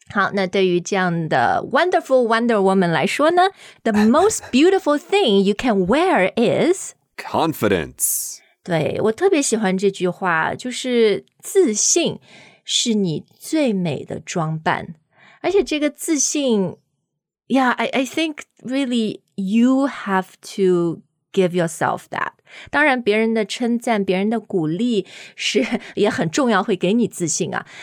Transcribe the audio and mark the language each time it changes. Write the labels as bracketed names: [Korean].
[Chinese] 好那对于这样的 [English] wonderful wonder woman [Chinese] 来说呢 [English] The most beautiful thing you can wear is Confidence. [Chinese] 对我特别喜欢这句话就是自信是你最美的装扮。而且这个自信 [English] Yeah, I think really you have to give yourself that. [Chinese] 当然别人的称赞别人的鼓励是也很重要会给你自信啊。